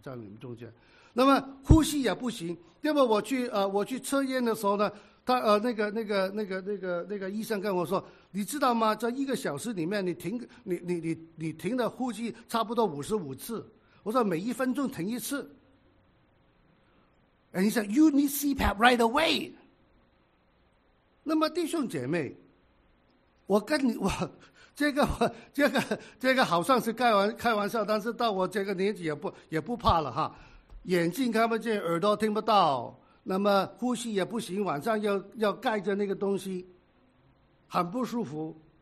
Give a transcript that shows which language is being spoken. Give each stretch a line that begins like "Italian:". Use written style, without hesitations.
Chinese: 在你们中间，那么呼吸也不行。那么我去测验的时候呢，那个医生跟我说，你知道吗？在一个小时里面你停的呼吸差不多55次。我说每一分钟停一次。
English: And he said, you need CPAP right away.
Chinese: 那么弟兄姐妹，我跟你，我这个我这个这个好像是开玩笑，但是到我这个年纪也不怕了哈。眼睛看不见，耳朵听不到，那么呼吸也不行，晚上要盖着那个东西，很不舒服。